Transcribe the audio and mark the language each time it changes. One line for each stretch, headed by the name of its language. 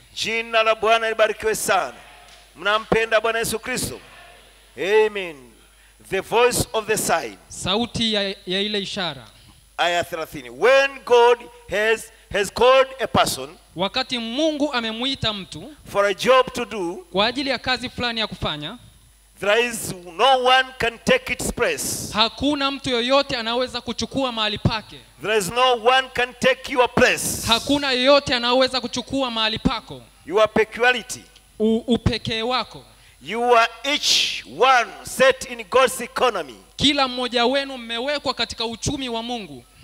Swahili: Jina la Bwana libarikiwe sana. Mnampenda Bwana Yesu Kristo. Amen.
English: The voice of the sign.
Swahili: Sauti ya ile ishara.
English: Aya 30. When God has called a person.
Swahili: Wakati Mungu amemuita mtu.
English: For a job to do.
Swahili: Kwa ajili ya kazi fulani ya kufanya.
English: There is no one can take its place.
Swahili: Hakuna mtu yoyote anaweza kuchukua mahali pake.
English: There is no one can take your place.
Swahili: Hakuna yoyote anaweza kuchukua mahali pako.
English: Your peculiarity.
Swahili: Upekee wako.
English: You are each one set in God's economy.
Swahili: Kila mmoja wenu mmewekwa katika uchumi wa Mungu.